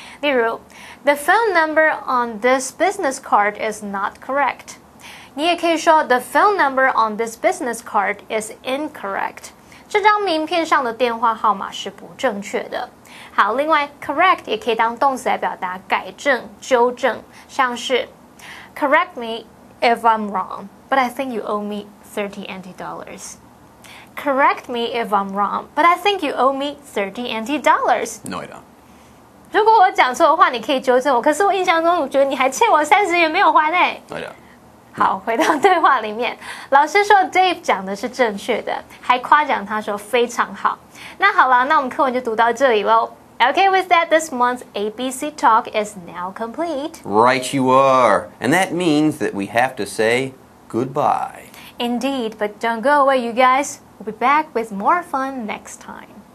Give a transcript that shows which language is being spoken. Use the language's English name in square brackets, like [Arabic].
[Chinese] 例如 [English] ,the phone number on this business card is not correct. [Chinese] 你也可以说 [English] the phone number on this business card is incorrect. [Chinese] 这张名片上的电话号码是不正确的。好，另外 correct 也可以当动词来表达改正、纠正，像是 [English] correct me if I'm wrong, but I think you owe me $30 NT. Correct me if I'm wrong, but I think you owe me $30 NT. No, I don't. [Chinese] 如果我讲错的话，你可以纠正我。可是我印象中，我觉得你还欠我30元没有还呢。 [English] No, I don't. [Chinese] 好，回到对话里面，老师说 Dave 讲的是正确的，还夸奖他说非常好。那好了，那我们课文就读到这里咯。 [English] Okay, with that, this month's ABC talk is now complete. Right you are. And that means that we have to say goodbye. Indeed, but don't go away, you guys. We'll be back with more fun next time.